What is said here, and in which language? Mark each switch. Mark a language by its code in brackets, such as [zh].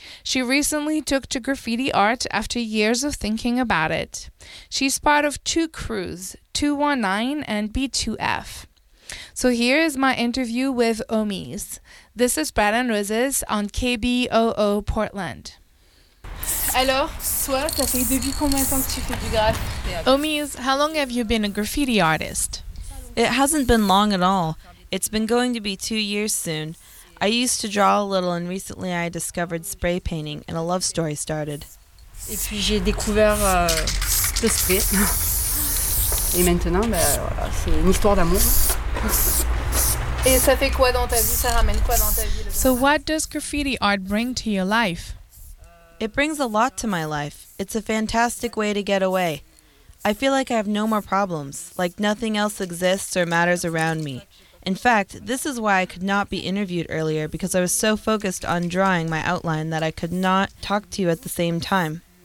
[en] She recently took to graffiti art after years of thinking about it. She's part of two crews, 219 and B2F. So here is my interview with Omis. This is Brad and Roses on KBOO Portland. [fr] Alors, soit, ça fait depuis combien de temps que tu fais du graff? [en] Omis, how long have you been a graffiti artist? It hasn't been long at all. It's been going to be 2 years soon. I used to draw a little, and recently I discovered spray painting, and a love story started. [fr] Et puis j'ai découvert le spray. Et maintenant, ben voilà, c'est une histoire d'amour. Et ça fait quoi dans ta vie? Ça ramène quoi dans ta vie? [en] So what does graffiti art bring to your life? It brings a lot to my life. It's a fantastic way to get away. I feel like I have no more problems, like nothing else exists or matters around me. In fact, this is why I could not be interviewed earlier, because I was so focused on drawing my outline that I could not talk to you at the same time.